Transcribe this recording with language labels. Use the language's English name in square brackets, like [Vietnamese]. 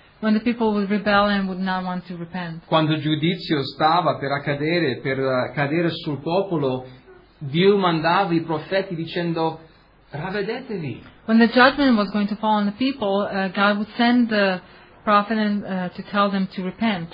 [English] When the people would rebel and would not want to repent. [Italian] Quando giudizio stava per accadere, per cadere sul popolo, Dio mandava i profeti dicendo: ravvedetevi. [English] When the judgment was going to fall on the people, God would send the prophet to tell them to repent.